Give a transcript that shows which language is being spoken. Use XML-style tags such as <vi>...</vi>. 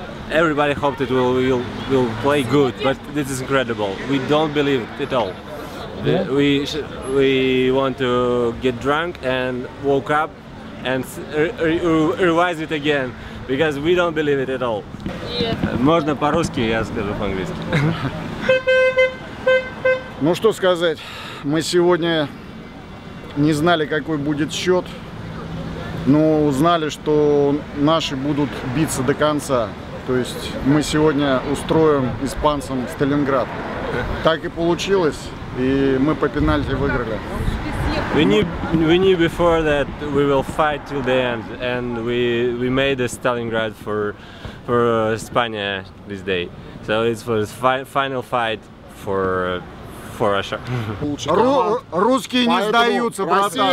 <en>Everybody hoped that we'll play good, but this is incredible. We don't believe it at all. Yeah. We want to get drunk and woke up and revise it again. Because we don't believe it at all.</en> <ru>Можно по-русски, я скажу по-английски. Ну что сказать, мы сегодня не знали, какой будет счет, но узнали, что наши будут биться до конца. То есть мы сегодня устроим испанцам Сталинград. Так и получилось, и мы по пенальти выиграли.</ru> <en>We knew before that we will fight till the end, and we made a Stalingrad for Spania this day. So it was final fight for Russia.</en> <ru>Русские не сдаются, братан.</ru>